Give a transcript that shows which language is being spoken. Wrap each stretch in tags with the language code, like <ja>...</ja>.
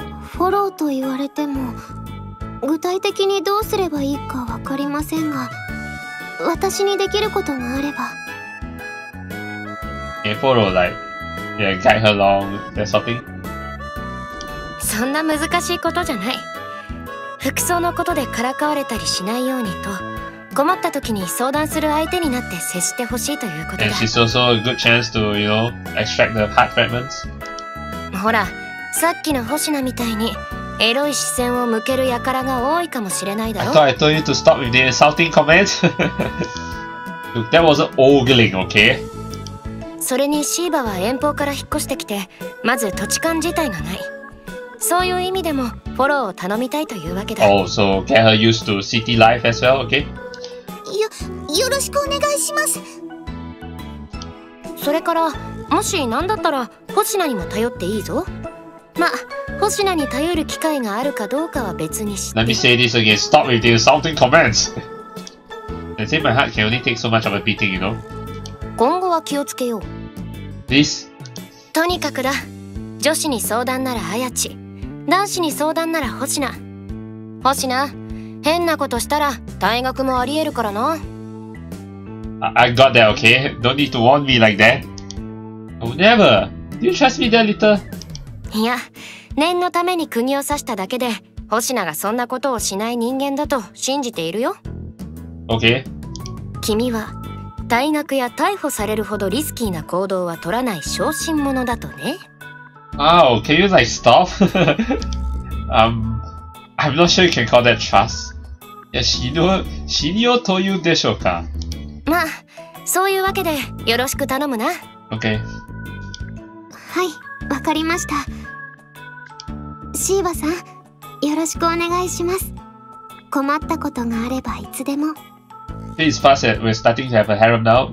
<ja>Follow と言われても、具体的にどうすればいいかわかりませんが、私にできることがあれば。</ja> <en>Follow, like, yeah, guide her along, that sort of thing.</en> <ja>そんな難しいことじゃない。服装のことでからかわれたりしないようにと、困った時に相談する相手になって接してほしいということだ。</ja> <en>And she's also a good chance to, you know, extract the heart fragments.</en> <ja>ほら、さっきの星名みたいにエロい視線を向ける輩が多いかもしれないだろ。</ja> <en>I thought I told you to stop with the insulting comments. Look, that was ogling, okay?</en> <ja>それにシーバは遠方から引っ越してきて、まず土地勘自体がない。そういう意味でもフォローを頼みたいというわけだ。</ja> <en>Oh, so get her used to city life as well, okay?</en> <ja>よろしくお願いします。それから、もし何だったら、星名にも頼っていいぞ。まあ、星名に頼る機会があるかどうかは別にして。</ja> <en>Let me say this again. Stop with the insulting comments. They say my heart can only take so much of a beating, you know?</en> <ja>今後は気をつけよう。</ja> <en>This?</en> <ja>とにかくだ。女子に相談ならアヤチ、男子に相談ならホシナ。ホシナ、変なことしたら退学もありえるからな。</ja> <en>I got that, okay? Don't need to warn me like that. Oh, never! Do you trust me there, little?</en> <ja>いや、念のために釘を刺しただけで、ホシナがそんなことをしない人間だと信じているよ。</ja> <en>Okay?</en> <ja>君は退学や逮捕されるほどリスキーな行動は取らない小心者だとね。</ja> <en>Oh, can you like stop? I'm not sure you can call that trust. Yeah, shinyo to you</en> <ja>でしょうか。まあ、そういうわけでよろしく頼むな。</ja> <en>Okay.</en> <ja>はい、わかりました。シーバさん、よろしくお願いします。困ったことがあればいつでも。</ja> <en>It's fast that we're starting to have a harem now.</en>